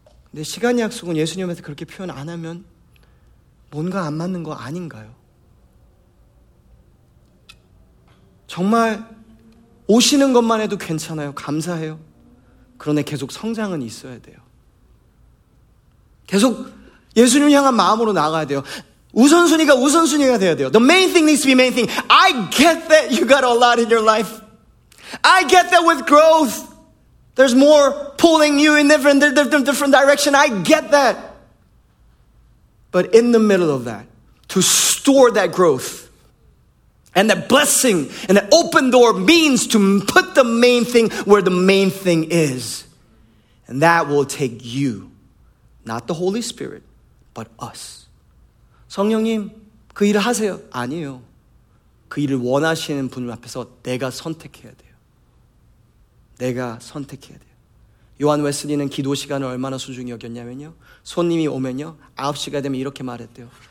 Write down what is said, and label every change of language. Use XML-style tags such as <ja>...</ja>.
<ko>근데 시간 약속은 예수님한테 그렇게 표현 안 하면 뭔가 안 맞는 거 아닌가요? 정말 오시는 것만 해도 괜찮아요. 감사해요. 그런데 계속 성장은 있어야 돼요. 계속 예수님 향한 마음으로 나가야 돼요. 우선순위가 우선순위가 돼야 돼요.</ko> <en>The main thing needs to be main thing. I get that you got a lot in your life. I get that with growth. There's more pulling you in different direction. I get that. But in the middle of that, to store that growth and that blessing and that open door means to put the main thing where the main thing is. And that will take you, not the Holy Spirit, but us.</en> <ko>성령님, 그 일을 하세요. 아니요. 그 일을 원하시는 분 앞에서 내가 선택해야 돼요. 내가 선택해야 돼요. 요한 웨슬리는 기도 시간을 얼마나 소중히 여겼냐면요. 손님이 오면요. 9시가 되면 이렇게 말했대요.</ko>